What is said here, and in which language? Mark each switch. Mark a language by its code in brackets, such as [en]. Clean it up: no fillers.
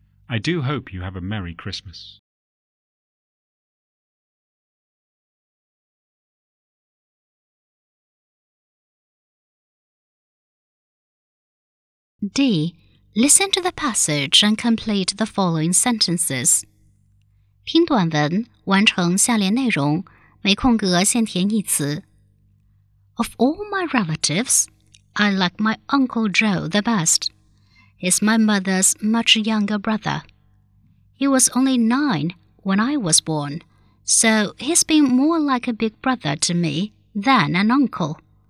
[en] I do hope you have a Merry Christmas." D. Listen to the passage and complete the following sentences. [zh] 听短文，完成下列内容，没空格先填一词。 [en] Of all my relatives, I like my Uncle Joe the best. He's my mother's much younger brother. He was only 9 when I was born, so he's been more like a big brother to me than an uncle.